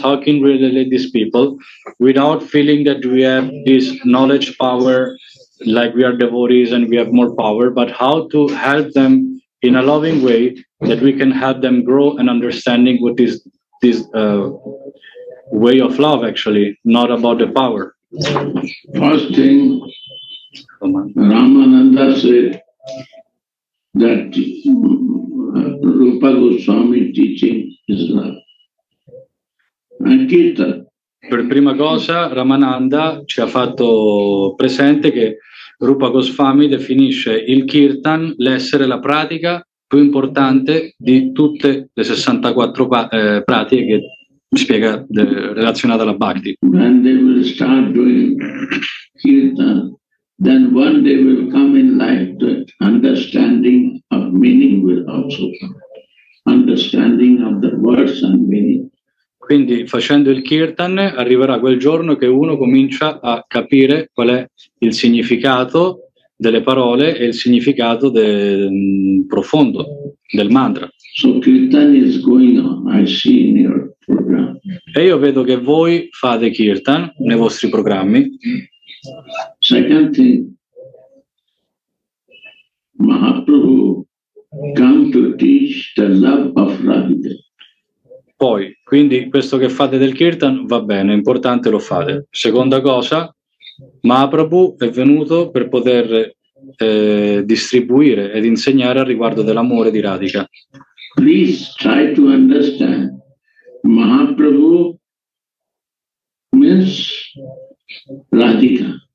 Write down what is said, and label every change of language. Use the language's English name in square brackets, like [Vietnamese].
[English] How can we relate with these people without feeling that we have this knowledge power, like we are devotees and we have more power, but how to help them in a loving way that we can help them grow and understanding what is this way of love, actually, not about the power. First thing, Ramananda said that Rupa Goswami teaching is love. Ankita. [Italian] Per prima cosa, Ramananda ci ha fatto presente che Rupa Goswami definisce il kirtan, l'essere, la pratica più importante di tutte le 64 pratiche che spiega relazionata alla bhakti. [English] When they will start doing kirtan, then one day will come in life that understanding of meaning will also come. Understanding of the words and meaning. [Italian] Quindi facendo il kirtan arriverà quel giorno che uno comincia a capire qual è il significato delle parole e il significato profondo del mantra. [English] So kirtan is going on, I see in your program. [Italian] E io vedo che voi fate kirtan nei vostri programmi. [English] Second thing, Mahaprabhu come to teach the love of Radhika. [Italian] Poi, quindi questo che fate del kirtan va bene, è importante, lo fate. Seconda cosa, Mahaprabhu è venuto per poter distribuire ed insegnare al riguardo dell'amore di Radhika. [English] Please try to understand, Mahaprabhu means Radhika.